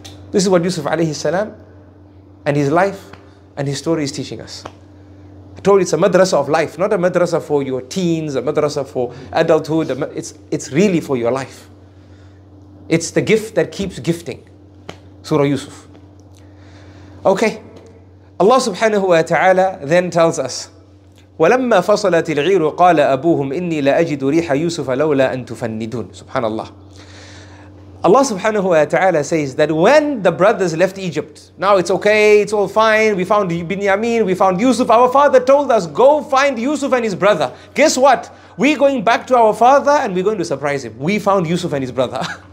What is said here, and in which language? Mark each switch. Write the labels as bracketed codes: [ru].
[en] This is what Yusuf alayhi salam and his life and his story is teaching us. I told you it's a madrasa of life, not a madrasa for your teens, a madrasa for adulthood. It's really for your life. It's the gift that keeps gifting. Surah Yusuf. Okay. Allah subhanahu wa ta'ala then tells us, [ar] وَلَمَّا فَصَلَتِ الْعِيرُ قَالَ أَبُوهُمْ إِنِّي لَأَجِدُ رِيحَ يُوسُفَ لَوْلَا أَن تُفَنِّدُونَ. [en] Subhanallah. Allah subhanahu wa ta'ala says that when the brothers left Egypt, now it's okay, it's all fine, we found Binyamin, we found Yusuf, our father told us, go find Yusuf and his brother. Guess what? We're going back to our father and we're going to surprise him. We found Yusuf and his brother.